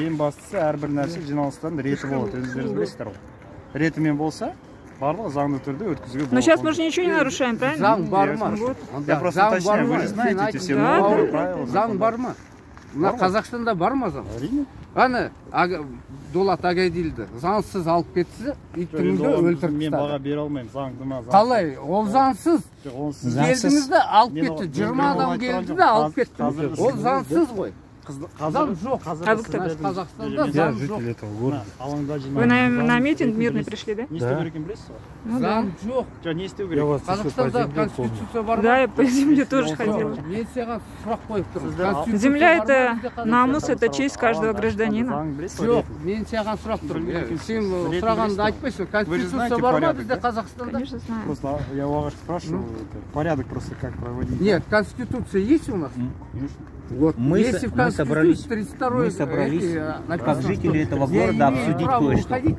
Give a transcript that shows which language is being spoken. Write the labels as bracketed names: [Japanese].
[Kazakh] Ең бастысы, әрбір нәрсе жиналыстардың реті болады. Өзіңіздер білесіздер ғой. Ретімен болса, барлығы заңды түрде өткізуге болады. [Russian] Но сейчас мы же ничего не нарушаем, правильно? [Kazakh] Заң бар ма? [Russian] Я просто уточняю, вы же знаете все новые правила. [Kazakh] Заң бар ма? На Казахстанда бар ма заң? Әрине. Ана Дулат агай дейді, заңсыз алып кетсе, иттіңді өлтіріп тастады. Мен баға бере алмаймын, заңды ма заңсыз. Қалай, ол заңсыз. Жоқ, ол сіз. Келдіңіз де алып кетті, 20 адам келді де алып кетті. Ол заңсыз ғой. Заң жоқ. Қазір сіз Қазақстанда заң жоқ. [Russian] Вы на митинг мирный пришли, да? [Kazakh] Не істеу керек екен білесіз ба? Заң жоқ. Жоқ, не істеу керек? Қазақстанда конституция бар. [Russian] Да, я по земле тоже ходила. [Kazakh] Мен саған сұрақ қойып тұрмын. [Russian] Земля – это намыс, это честь каждого гражданина. [Kazakh] Жоқ, мен саған сұрақ тұрмын. Сен сұрағанды айтпайсың, конституция бар ма бізде Қазақстанда? [Russian] Просто я у вас спрашиваю, порядок просто как проводить? Нет, конституция есть у нас? Вот. Мы собрались как жители этого города обсудить кое-что.